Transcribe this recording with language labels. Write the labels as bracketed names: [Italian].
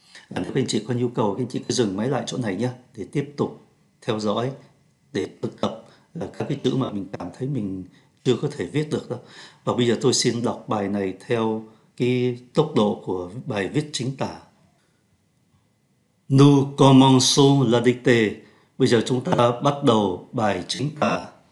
[Vietnamese] Nếu các anh chị có nhu cầu, các anh chị cứ dừng máy lại chỗ này nhé, để tiếp tục theo dõi, để thực tập các cái chữ mà mình cảm thấy mình chưa có thể viết được đó. Và bây giờ tôi xin đọc bài này theo cái tốc độ của bài viết chính tả. [French] Nous commençons la dictée. [Vietnamese] Bây giờ chúng ta bắt đầu bài chính tả.